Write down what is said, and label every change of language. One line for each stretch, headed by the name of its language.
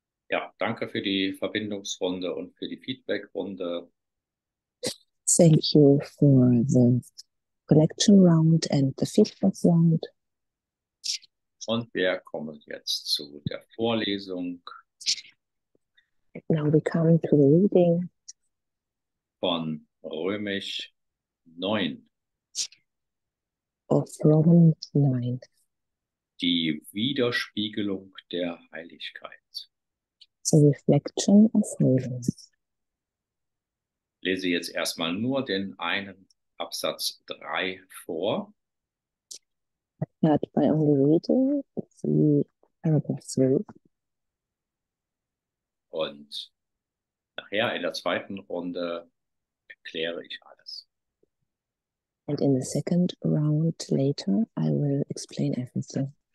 German: Ja, danke für die Verbindungsrunde und für die Feedbackrunde.
English: Thank you for the connection round and the feedback round.
German: Und wir kommen jetzt zu der Vorlesung.
English: Now we come to the reading.
German: Von Römisch 9.
English: Of Romans 9.
German: Die Widerspiegelung der Heiligkeit.
English: The reflection of holiness.
German: Lese jetzt erstmal nur den einen Absatz 3 vor.
English: Start by only reading the paragraph 3.
German: Und nachher in der zweiten Runde erkläre ich alles.
English: And in the second round later, I will explain everything.